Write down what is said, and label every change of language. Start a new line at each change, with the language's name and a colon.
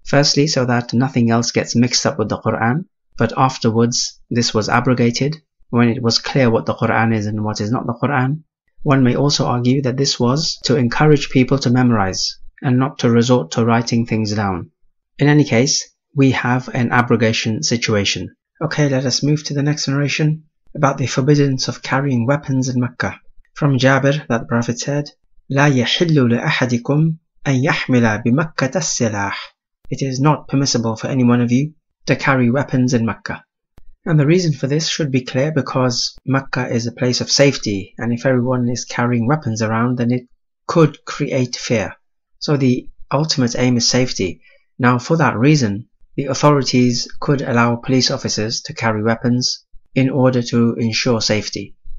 English: Firstly, so that nothing else gets mixed up with the Quran, but afterwards this was abrogated when it was clear what the Quran is and what is not the Quran. One may also argue that this was to encourage people to memorize and not to resort to writing things down. In any case, we have an abrogation situation. Okay, let us move to the next narration about the forbiddance of carrying weapons in Mecca. From Jabir, that the Prophet said,
Arabic: لا يحل لأحدكم أن يحمل بمكة السلاح.
English: It is not permissible for any one of you to carry weapons in Mecca. And the reason for this should be clear, because Mecca is a place of safety, and if everyone is carrying weapons around, then it could create fear. So the ultimate aim is safety. Now, for that reason, the authorities could allow police officers to carry weapons in order to ensure safety.